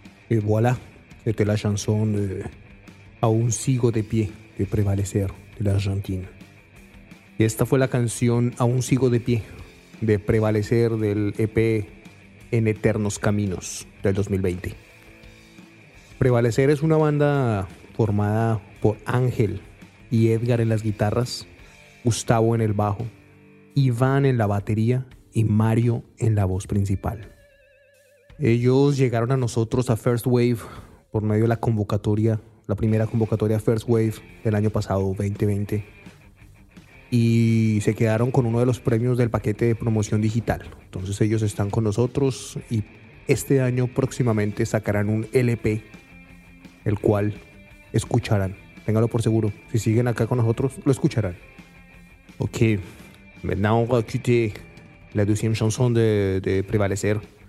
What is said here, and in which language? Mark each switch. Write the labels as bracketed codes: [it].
[fr] Voilà, c'était la chanson de A un sigo de pie de Prevalecer de l'Argentine. [es] Y esta fue la canción A un sigo de pie de Prevalecer del EP En Eternos Caminos del 2020. Prevalecer es una banda formada por Ángel y Edgar en las guitarras, Gustavo en el bajo, Iván en la batería y Mario en la voz principal. Ellos llegaron a nosotros a First Wave por medio de la convocatoria, la primera convocatoria First Wave del año pasado, 2020. Y se quedaron con uno de los premios del paquete de promoción digital. Entonces ellos están con nosotros y este año próximamente sacarán un LP, el cual escucharán. Téngalo por seguro, si siguen acá con nosotros, lo escucharán. [fr] Ok, maintenant on va écouter la deuxième chanson de Prevalecer.